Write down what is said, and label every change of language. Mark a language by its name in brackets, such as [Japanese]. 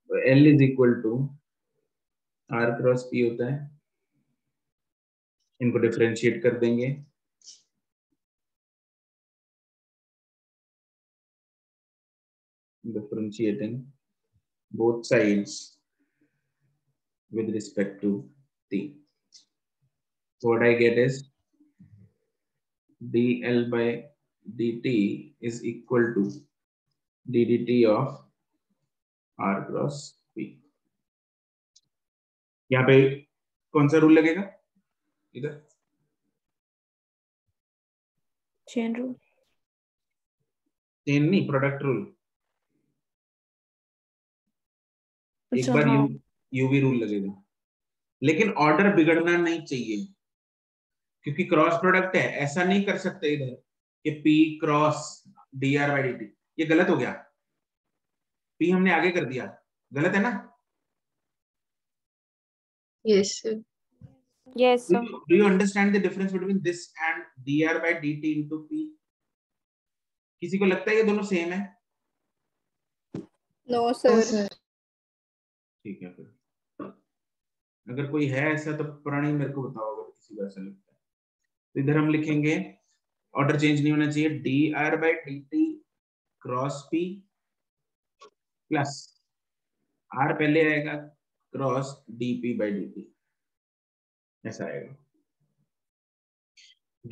[Hindi] L is equal to are cross P होता है, इनको डिफरेंशिएट कर देंगे [English] Differentiating both sides with respect to T। What I get is dl by dt is equal to ddt of r cross p. [Hindi] यहाँ पे कौन सा rule लगेगा? इधर चेन रूल। चेन नहीं, प्रोडक्ट रूल। एक बार यूवी रूल लगेगा, लेकिन ऑर्डर बिगड़ना नहीं चाहिए क्योंकि क्रॉस प्रोडक्ट है। ऐसा नहीं कर सकते इधर कि P cross dr by dt, ये गलत हो गया। P हमने आगे कर दिया, गलत है ना? [English] Yes sir. Yes sir. Do you understand the difference between this and dr by dt into P? [Hindi] किसी को लगता है ये दोनों सेम है? [English] No sir. [Hindi] ठीक है फिर, अगर कोई है ऐसा तो प्राणी मेरे को बताओ अगर किसी को ऐसा लगता। इधर हम लिखेंगे ऑर्डर चेंज नहीं होना चाहिए, D R by D T cross P plus are पहले आएगा cross D P by D T, ऐसा आएगा।